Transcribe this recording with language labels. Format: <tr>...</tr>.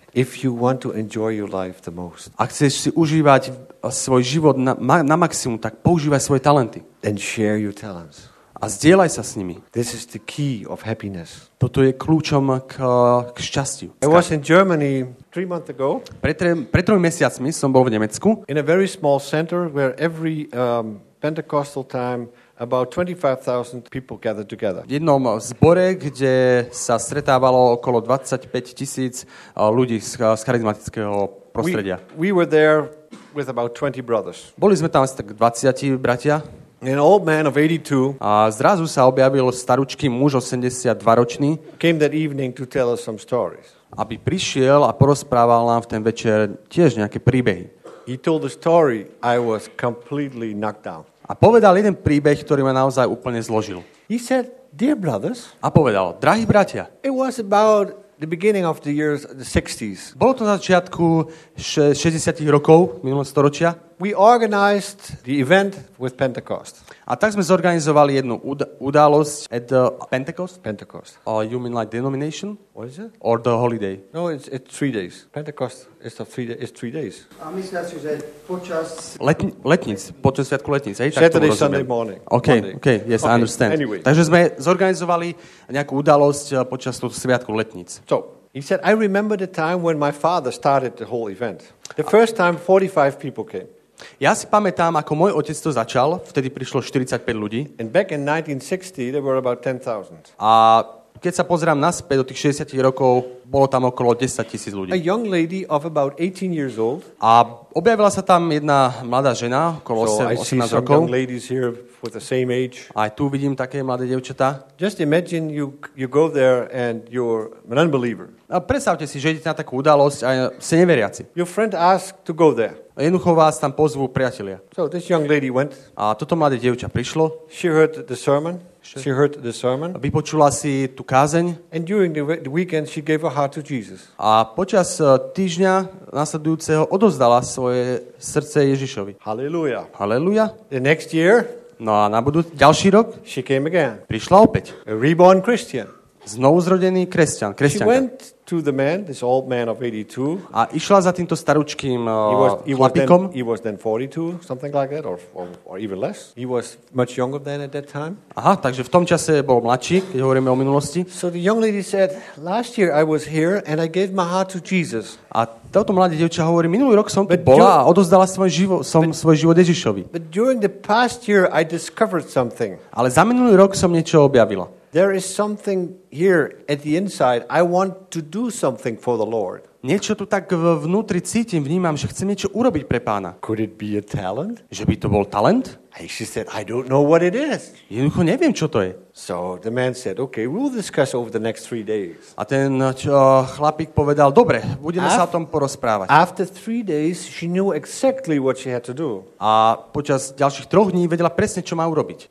<en>If you want to enjoy your life the most.</en> <sk>Ak chceš si užívať svoj život na maximum, tak používaj svoje talenty.</sk> <en>And share your talents.</en> <sk>A zdieľaj sa s nimi.</sk> <en>This is the key of happiness.</en> <sk>Toto je kľúčom k šťastiu.</sk> <en>I was in Germany 3 months ago.</en> <sk>Pred 3 mesiacmi som bol v Nemecku.</sk> <en>In a very small center where every Pentecostal time about 25,000 people gathered together.</en> <sk>V jednom zbore, kde sa stretávalo okolo 25,000 ľudí z charizmatického prostredia.</sk> <en>We were there with about 20 brothers.</en> <sk>Boli sme tam asi tak 20 bratia.</sk> <en>An old man of 82.</en> <sk>A zrazu sa objavil staručký muž 82 ročný.</sk> <en>Came that evening to tell us some stories.</en> <sk>Aby prišiel a porozprával nám v ten večer tiež nejaké príbehy.</sk> <en>He told the story I was completely knocked down.</en> <sk>A povedal jeden príbeh, ktorý ma naozaj úplne zložil.</sk> <en>He said, dear brothers.</en> <sk>A povedal, drahí bratia.</sk> <en>It was about the beginning of the years the 60s.</en> <sk>Bolo to na začiatku 60-tych rokov minulého storočia.</sk> <en>We organized the event with Pentecost.</en> <sk>A tak sme zorganizovali jednu udalosť</sk> <en>at Pentecost. Pentecost. You mean like denomination? What is it? Or the holiday? No, it's 3 days. Pentecost is of 3 days. It's 3 days.</en> <sk>A myslia si, že počas letníc, počas sviatku letníc, hej,</sk> <en>Saturday, Sunday morning. Okay, okay, yes, okay. I understand. Anyway.</en> <sk>Takže sme zorganizovali nejakú udalosť počas toho sviatku letníc.</sk> <en>So, he said, I remember the time when my father started the whole event. The first time 45 people came.</en> <sk>Ja si pamätám, ako môj otec to začal, vtedy prišlo 45 ľudí.</sk> <en>And back in 1960, there were about 10,000.</en> <sk>A keď sa pozerám naspäť do tých 60 rokov, bolo tam okolo 10,000 ľudí.</sk> <en>A young lady of about 18 years old.</en> <sk>A objavila sa tam jedna mladá žena, okolo 18 rokov.</sk> <en>Young ladies here with the same age.</en> <sk>Aj tu vidím také mladé dievčatá.</sk> <en>Just imagine you go there and you're an unbeliever.</en> <sk>A predstavte si, že idete na takú udalosť a ste neveriaci.</sk> <en>Your friend asked to go there.</en> <sk>A jednoducho vás tam pozvú priatelia.</sk> <en>So this young lady went.</en> <sk>A toto mladé dievča prišlo.</sk> <en>She heard the sermon. She heard the sermon.</en> <sk>Vypočula si tú kázeň.</sk> <en>And during the weekend she gave her heart to Jesus.</en> <sk>A počas týždňa nasledujúceho odovzdala svoje srdce Ježišovi.</sk> <en>Hallelujah.</en> <sk>Hallelujah.</sk> <en>The next year.</en> <sk>No a na budúci ďalší rok.</sk> <en>She came again.</en> <sk>Prišla opäť.</sk> <en>A reborn Christian.</en> <sk>Znovu zrodený kresťan, kresťanka.</sk> <en>She went to the man, this old man of 82.</en> <sk>A išla za týmto staručkým chlapíkom.</sk> <en>He was then 42, something like that, or even less. He was much younger than at that time.</en> <sk>Aha, takže v tom čase bol mladší, keď hovoríme o minulosti.</sk> <en>So the young lady said, last year I was here and I gave my heart to Jesus.</en> <sk>A toto mladé dievča hovorí, minulý rok som tu bola a odozdala svoj život Ježišovi.</sk> <en>But during the past year I discovered something.</en> <sk>Ale za minulý rok som niečo objavila.</sk> <en>There is something here at the inside. I want to do something for the Lord.</en> <sk>Niečo tu tak vnútri cítim, vnímam, že chcem niečo urobiť pre Pána.</sk> <en>Could it be a talent?</en> <sk>Že by to bol talent?</sk> <en>And she said, I don't know what it is.</en> <sk>Jednoducho neviem, čo to je.</sk> <en>So the man said, okay, we'll discuss over the next 3 days.</en> <sk>A ten chlapík povedal, dobre, budeme sa o tom porozprávať.</sk> <en>After 3 days, she knew exactly what she had to do.</en> <sk>A počas ďalších 3 dní vedela presne, čo má urobiť.</sk>